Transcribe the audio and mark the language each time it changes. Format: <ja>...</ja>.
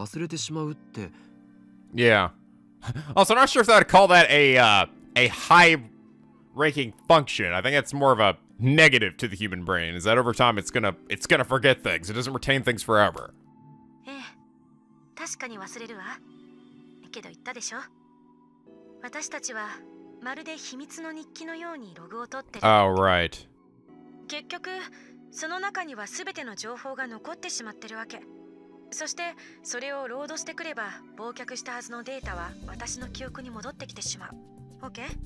<ja>つまりね、忘れるという脳の高度な機能、それを完璧には模倣できてないってこと。え、でもATFでのレスキネン教授の講演だとアマデウスは不必要なことは忘れてしまうって。Yeah,</ja> <en>also not sure if I'd call that a high-ranking function. I think it's more of a negative to the human brain, is that over time it's gonna forget things. It doesn't retain things forever.</en> <ja>え、確かに忘れるわ。けど言ったでしょ。私たちはまるで秘密の日記のように録音を取ってる。</ja> <en>Oh, right.</en> <ja>結局その中にはすべての情報が残ってしまってるわけ。そしてそれをロードしてくれば忘却したはずのデータは私の記憶に戻ってきてしまう。OK?</ja>